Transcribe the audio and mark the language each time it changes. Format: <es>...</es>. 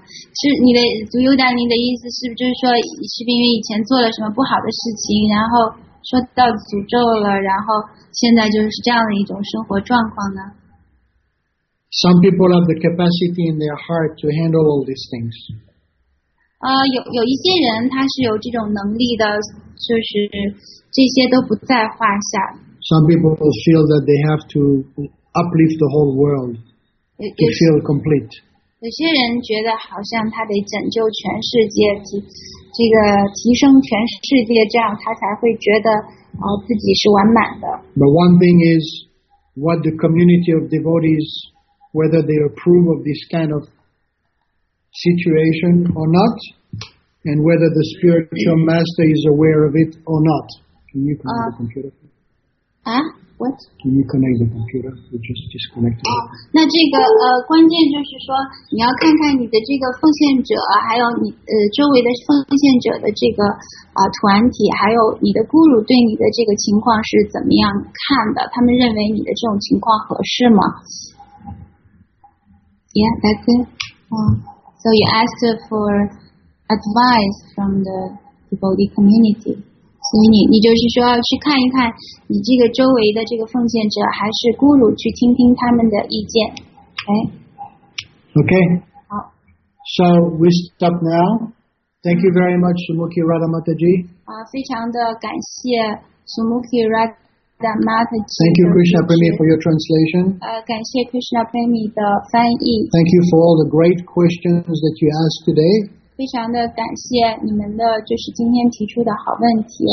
<zh>是你的 Duryodhani 的意思是不是就是说是不是因为以前做了什么不好的事情，然后受到诅咒了，然后现在就是这样的一种生活状况呢？</zh> <en>Some people have the capacity in their heart to handle all these things.</en> <zh>有一些人他是有这种能力的，就是这些都不在话下。</zh> <en>Some people feel that they have to uplift the whole world. To feel complete.</en> <zh>有些人觉得好像他得拯救全世界，这个提升全世界，这样他才会觉得自己是完满的。</zh> <en>But one thing is, what the community of devotees, whether they approve of this kind of situation or not, and whether the spiritual master is aware of it or not. Can you connect the computer? What? Can you connect the computer? We just disconnected.</en> <zh>那这个关键就是说，你要看看你的这个奉献者，还有你周围的奉献者的这个团体，还有你的guru对你的这个情况是怎么样看的？他们认为你的这种情况合适吗 ？</zh> <en>Yeah, that's good. So you asked for advice from the devotee community.</en> <zh>请你，你就是说要去看一看你这个周围的这个奉献者，还是孤独去听听他们的意见。 Okay. Okay. 好。</zh> <en>So we stop now. Thank you very much, Sumukhi Radha Mataji.</en> <zh>啊，非常的感谢 Sumukhi Radha Mataji.</zh> <en>Thank you, Krishna Premi, for your translation.</en> <zh>感谢 Krishna Premi 的翻译。</zh> <en>Thank you for all the great questions that you asked today.</en> <zh>非常的感谢你们的就是今天提出的好问题。</zh>